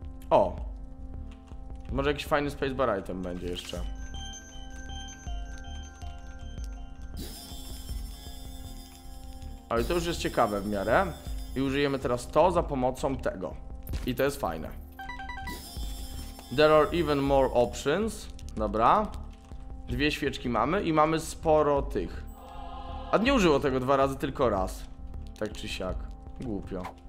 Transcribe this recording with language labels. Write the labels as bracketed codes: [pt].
[pl] O! Może jakiś fajny spacebar item będzie jeszcze. Ale to już jest ciekawe w miarę. I użyjemy teraz to za pomocą tego. I to jest fajne. [en] There are even more options. [pl] Dobra. Dwie świeczki mamy i mamy sporo tych. A nie użyło tego dwa razy, tylko raz. Tak czy siak. Głupio.